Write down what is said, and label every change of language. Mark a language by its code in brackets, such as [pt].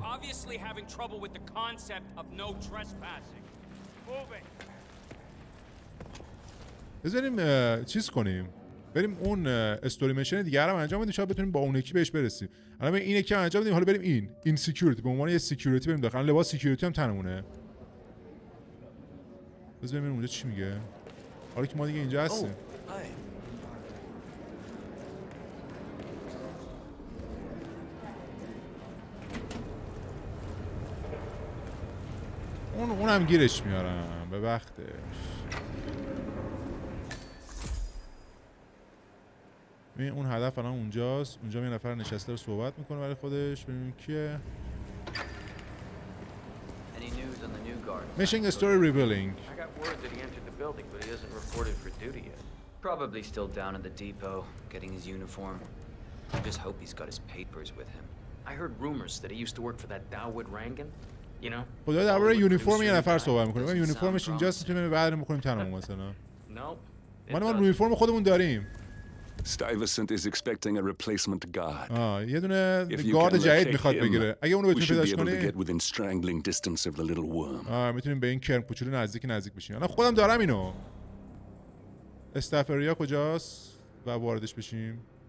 [en] You're obviously having trouble with the concept of no trespassing. Moving. [fa] بذاریم چیز کنیم بریم اون استوری میشن دیگه رو انجام بدیم شاید بتونیم با اون یکی بهش برسیم. حالا ببین اینه که انجام بدیم، حالا بریم این انسیکیوریتی به عنوان یه سیکیوریتی بریم داخل. لباس سیکیوریتی هم تنمونه. بذاریم اونجا چی میگه. حالا که ما دیگه اینجا هستیم اونم گیرش میارم به وقتش. ببین اون هدف الان اونجاست، اونجا یه نفر نشسته رو صحبت میکنه برای خودش. ببینیم کیه. [en] Missing a story revealing. I got word that he entered the building but he isn't reported for duty yet. Probably still down at the depot getting his uniform. I just hope he's got his papers with him. I heard rumors that he used to work for that Dawood Rangan, you know. [fa] خدا درباره یونیفرم یه نفر صحبت میکنه. ببین یونیفرمش اینجاست میتونیم بعد بکنیم تنمون مثلا. [en] Nope. [fa] ما هم یونیفرم خودمون داریم. [en] Stuyvesant is expecting a replacement guard. [fa] یه دونه گارد جدید میخواد بگیره. اگه اونو بتونیم پیداش کنیم. [en] Get within strangling distance of the little worm. [fa] میتونیم به این کرم کوچولو نزدیک نزدیک بشیم. الان خودم دارم اینو. استافریا کجاست؟ و واردش بشیم.